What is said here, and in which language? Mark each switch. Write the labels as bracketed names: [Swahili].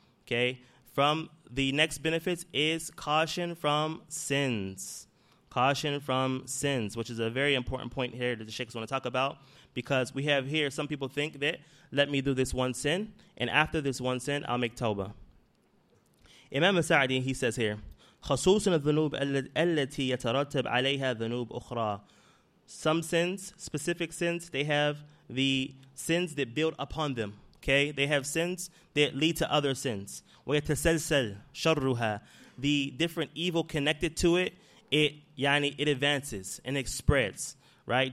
[English] Okay, from the next benefits is caution from sins. Caution from sins, which is a very important point here that the Sheikhs want to talk about, because we have here some people think that, let me do this one sin, and after this one sin, I'll make tawbah. Imam Sa'di, he says here, [Arabic] خَصُوصٌ الذُّنُوبِ الَّتِي يَتَرَتَّبْ عَلَيْهَا ذُنُوبُ أُخْرَى. [English] Some sins, specific sins, they have the sins that build upon them. Okay, they have sins that lead to other sins. [Arabic] وَيَتَسَلْسَلْ شَرُّهَا. [English] The different evil connected to it, it advances and it spreads, right?